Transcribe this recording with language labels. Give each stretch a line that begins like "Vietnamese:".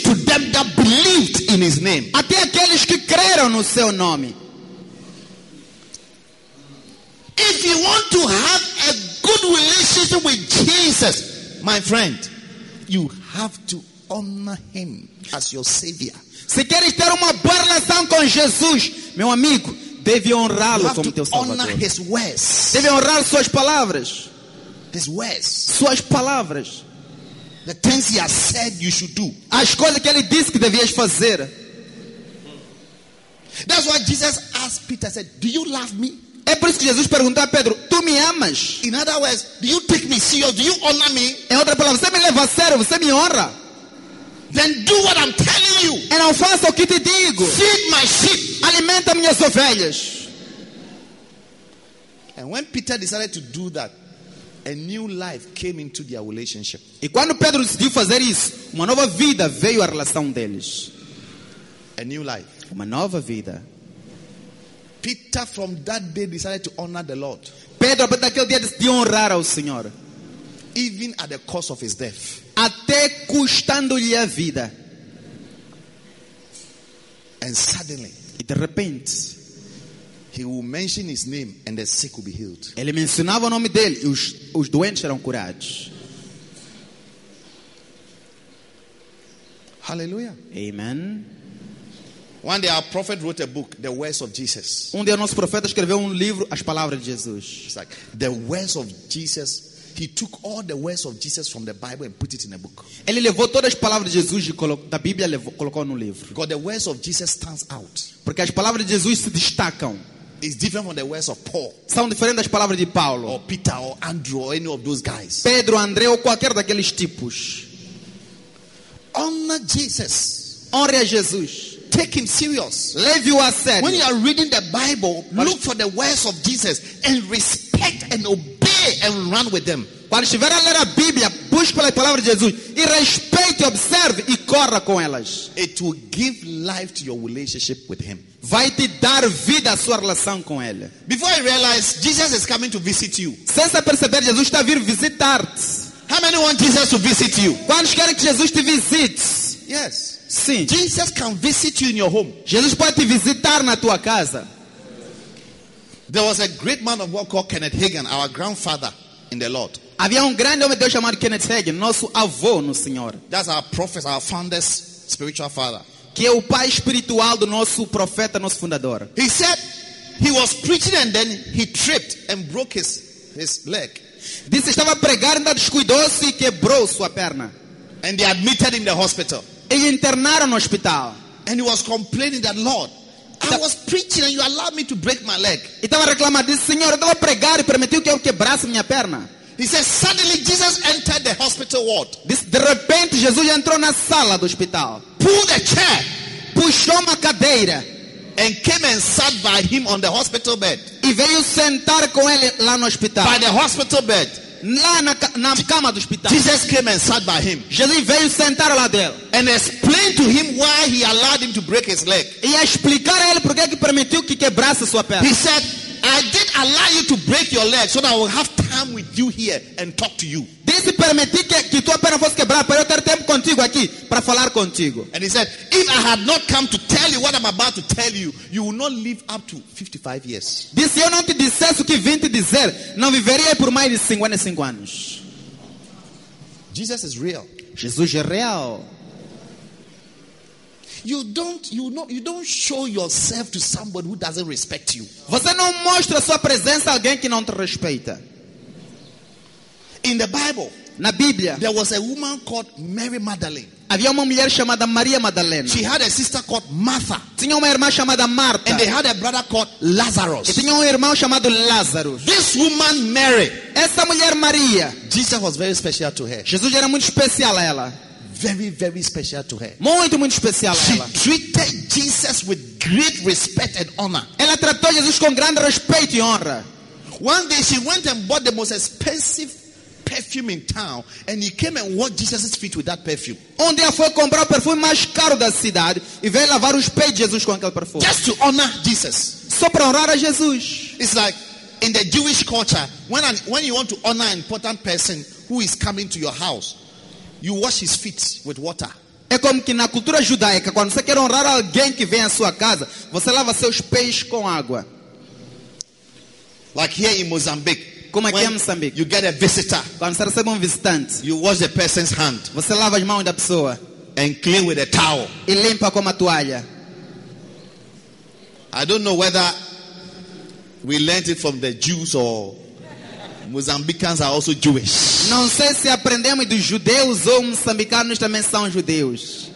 English: even to them that believed in his name.
Portuguese: Até aqueles que creram no seu nome.
English: If you want to have a good relationship with Jesus, my friend, you have to honor him as your savior.
Portuguese: Se queres ter uma boa relação com Jesus, meu amigo, deve honrá-lo como teu salvador.
English: Honor his words.
Portuguese: Deve honrar suas palavras.
English: His words.
Portuguese: Suas palavras.
English: The things he has said you should do.
Portuguese: As coisas que ele disse que devias fazer.
English: That's why Jesus asked Peter, said, "Do you love me?"
Portuguese: É por isso que Jesus perguntou a Pedro, tu me amas?
English: In other words, do you take me serious? Do you honor me?
Portuguese: Em outra palavra, você me leva a sério? Você me honra?
English: Then do what I'm telling you.
Portuguese: Então faça o que te digo.
English: Feed my sheep.
Portuguese: Alimenta minhas ovelhas.
English: And when Peter decided to do that, a new life came into their relationship.
Portuguese: E quando Pedro decidiu fazer isso, uma nova vida veio à relação deles.
English: A new life.
Portuguese: Uma nova vida.
English: Peter from that day decided to honor the Lord.
Portuguese: Pedro a partir daquele dia decidiu honrar ao Senhor.
English: Even at the cost of his death.
Portuguese: Até custando-lhe a vida.
English: And suddenly,
Portuguese: e de repente,
English: he will mention his name and the sick will be healed.
Portuguese: Ele mencionava o nome dele e os doentes eram curados.
English: Hallelujah. Amen. One day our prophet wrote a book, The Words of Jesus.
Portuguese: Um dia nosso profeta escreveu um livro, As Palavras de Jesus.
English: It's like The Words of Jesus. He took all the words of Jesus from the Bible and put it in a book.
Portuguese: Ele levou todas as palavras de Jesus da Bíblia e colocou no livro.
English: Because the words of Jesus stands out.
Portuguese: Porque as palavras de Jesus se destacam.
English: It's different from the words of Paul.
Portuguese: São diferentes das palavras de Paulo.
English: Or Peter or Andrew or any of those guys.
Portuguese: Pedro, André ou qualquer daqueles tipos.
English: Honor Jesus.
Portuguese: Honre a Jesus.
English: Take him serious.
Portuguese: Leve o a sério.
English: When you are reading the Bible, look for the words of Jesus and respect and obey and run with them.
Portuguese: Quando estiver a ler a Bíblia, busque pela palavra de Jesus e respeite, observe e corra com elas.
English: It will give life to your relationship with him.
Portuguese: Vai te dar vida à sua relação com ele.
English: Before I realize, Jesus is coming to visit you.
Portuguese: Sem se perceber, Jesus está a vir visitar-te.
English: How many want Jesus to visit you?
Portuguese: Quantos querem que Jesus te visite?
English: Yes.
Portuguese: Sim.
English: Jesus can visit you in your home.
Portuguese: Jesus pode te visitar na tua casa.
English: There was a great man of God called Kenneth Hagin, our grandfather in the Lord.
Portuguese: Havia grande homem de Deus chamado Kenneth Hagin, nosso avô no Senhor.
English: That's our prophet, our founder's spiritual father.
Portuguese: Que é o pai espiritual do nosso profeta, nosso fundador.
English: He said he was preaching and then he tripped and broke his leg.
Portuguese: Disse que estava a pregar e descuidou-se e quebrou sua perna.
English: And they admitted him in the hospital.
Portuguese: Ele internaram no hospital.
English: And he was complaining that, Lord, I was preaching and you allowed me to break my leg.
Portuguese: Ele estava a reclamar, disse, Senhor, eu estava a pregar e permitiu que eu quebrasse minha perna.
English: He said, suddenly Jesus entered the hospital ward.
Portuguese: De repente Jesus entrou na sala do hospital.
English: Pulled a chair.
Portuguese: Puxou uma cadeira.
English: And came and sat by him on the hospital bed.
Portuguese: E veio sentar com ele lá no hospital.
English: By the hospital bed.
Portuguese: Lá na cama do hospital.
English: Jesus came and sat by him.
Portuguese: Jesus veio sentar lá dele.
English: And explained to him why he allowed him to break his leg.
Portuguese: E explicar a ele por que permitiu que quebrasse sua perna.
English: He said, I did allow you to break your leg so that I will have time with you here and talk to you.
Portuguese: Disse permitir que tua perna fosse quebrada para eu ter tempo contigo aqui para falar contigo.
English: And he said, if I had not come to tell you what I'm about to tell you, you will not live up to 55 years.
Portuguese: Disse, eu não te dissesse o que vim te dizer, não viveria por mais de 55 anos.
English: Jesus is real.
Portuguese: Jesus é real.
English: You don't show yourself to somebody who doesn't respect you.
Portuguese: Você não mostra sua presença a alguém que não te respeita.
English: In the Bible,
Portuguese: na Bíblia,
English: there was a woman called Mary Magdalene.
Portuguese: Havia uma mulher chamada Maria Madalena.
English: She had a sister called Martha.
Portuguese: Tinha uma irmã chamada Marta.
English: And they had a brother called Lazarus.
Portuguese: E tinha um irmão chamado Lázaro.
English: This woman Mary,
Portuguese: essa mulher Maria,
English: Jesus was very special to her.
Portuguese: Jesus era muito especial a ela.
English: Very, very special to her.
Portuguese: Muito, muito especial.
English: She treated Jesus with great respect and honor.
Portuguese: Ela tratou Jesus com grande respeito e honra.
English: One day she went and bought the most expensive perfume in town, and he came and washed Jesus' feet with that perfume.
Portuguese: Um dia foi comprar o perfume mais caro da cidade e veio lavar os pés de Jesus com aquele perfume.
English: Just to honor Jesus.
Portuguese: Só para honrar a Jesus.
English: It's like in the Jewish culture, when you want to honor an important person who is coming to your house, You wash his feet with water.
Portuguese: É como que na cultura judaica, quando você quer honrar alguém que vem à sua casa, você lava seus pés com água.
English: Like here in Mozambique.
Portuguese: Como aqui em Moçambique.
English: You get a visitor.
Portuguese: Quando você recebe visitante.
English: You wash the person's hand.
Portuguese: Você lava as mãos da pessoa.
English: And clean with a towel.
Portuguese: E limpa com uma toalha.
English: I don't know whether we learned it from the Jews or Mozambicans are also Jewish.
Portuguese: Não sei se aprendemos dos judeus ou moçambicanos também são judeus.